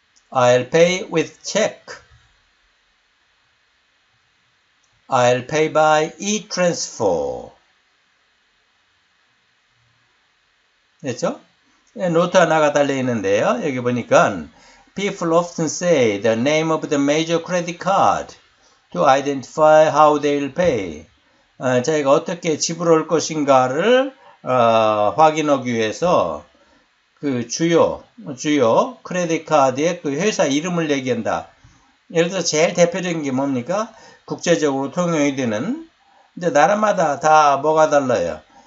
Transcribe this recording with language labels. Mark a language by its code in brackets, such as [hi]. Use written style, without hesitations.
[en] I'll pay with check. I'll pay by e-transfer. [ko] 됐죠? 노트 하나가 달려 있는데요. 여기 보니까 [en] people often say the name of the major credit card to identify how they'll pay. [ko] 자기가 어떻게 지불할 것인가를 확인하기 위해서 그 주요 크레딧 카드의 그 회사 이름을 얘기한다. 예를 들어 제일 대표적인 게 뭡니까? 국제적으로 통용이 되는 이제 나라마다 다 뭐가 달라요?